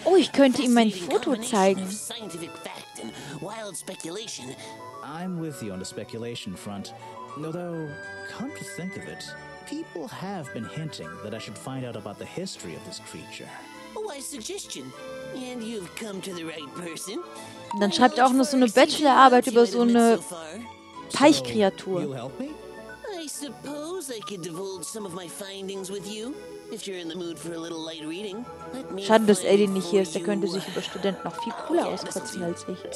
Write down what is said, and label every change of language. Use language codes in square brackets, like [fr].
[de] Oh, ich könnte ihm mein Foto zeigen. [en] Scientific fact and wild speculation. I'm with you on the speculation front. Although, come to think of it, people have been hinting that I should find out about the history of this creature. A wise suggestion. And you've come to the right person. [de] Dann schreibt er auch noch so eine Bachelorarbeit über so eine Teichkreatur. [en] You'll help me? I suppose I could divulge some of my findings with you, if you're in the mood for a little light reading. [de] Schade, dass Eddie nicht hier ist. Der könnte sich über Studenten noch viel cooler ausquatschen als ich.